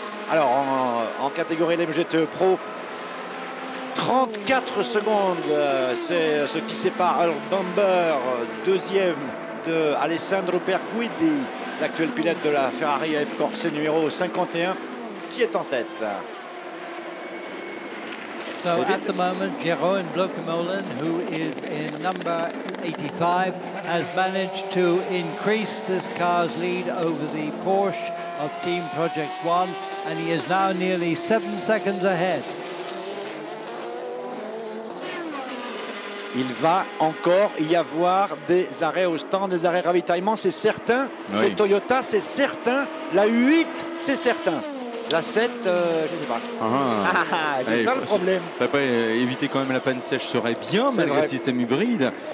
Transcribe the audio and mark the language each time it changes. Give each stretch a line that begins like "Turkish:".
French: Alors, en catégorie LMGTE Pro, 34 secondes, c'est ce qui sépare Bamber, deuxième de Alessandro Pierguidi, l'actuel pilote de la Ferrari AF Corse numéro 51 qui est en tête.
English: So at the moment, Jeroen Blokkemolen, who is in number 85, has managed to increase this car's lead over the Porsche of Team Project One, and he is now nearly 7 seconds ahead.
French: Il va encore y avoir des arrêts au stand, des arrêts ravitaillement, c'est certain. Oui. Chez Toyota, c'est certain. La 8, c'est certain. La 7, je ne sais pas. C'est ça le problème. Après, éviter quand même la panne sèche serait bien, c'est malgré vrai. Le système hybride.